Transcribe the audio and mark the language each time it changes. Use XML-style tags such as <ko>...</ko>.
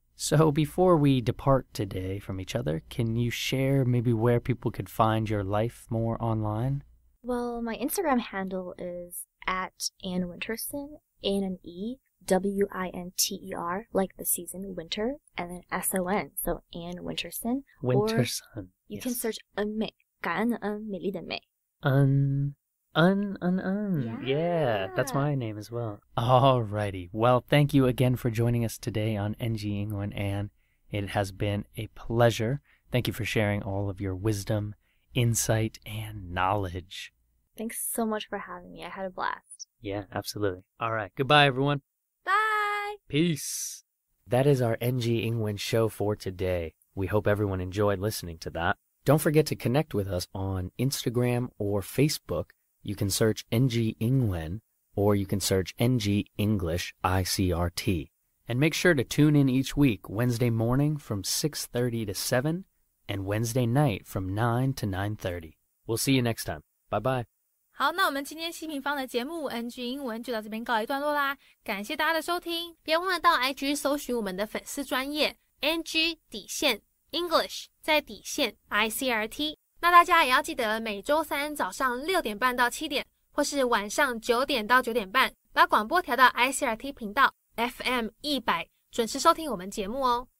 <en>So before we depart today from each other, can you share maybe where people could find your life more online? Well, my Instagram handle is at Anne Winterson, Anne and E. W-I-N-T-E-R, like the season, winter, and then S-O-N, so Anne Winterson. Winterson, Or you can search</en> <zh>恩美, 感恩的恩, 美丽的美. 恩,Un.</zh> <en>Yeah, that's my name as well. Alrighty. Well, thank you again for joining us today on NG England, Anne. It has been a pleasure. Thank you for sharing all of your wisdom, insight, and knowledge. Thanks so much for having me. I had a blast. Yeah, absolutely. All right. Goodbye, everyone. Bye. Peace. That is our NG Ingwen show for today. We hope everyone enjoyed listening to that. Don't forget to connect with us on Instagram or Facebook. You can search NG Ingwen or you can search NG English ICRT. And make sure to tune in each week, Wednesday morning from 6:30 to 7, and Wednesday night from 9 to 9:30. We'll see you next time. Bye-bye.</en> <zh>好，那我们今天希平方的节目 NG 英文就到这边告一段落啦。感谢大家的收听，别忘了到 IG 搜寻我们的粉丝专页 NG 底线 English 在底线 ICRT。那大家也要记得每周三早上6:30到7点，或是晚上9点到9:30，把广播调到 ICRT 频道 FM 100，准时收听我们节目哦。</zh>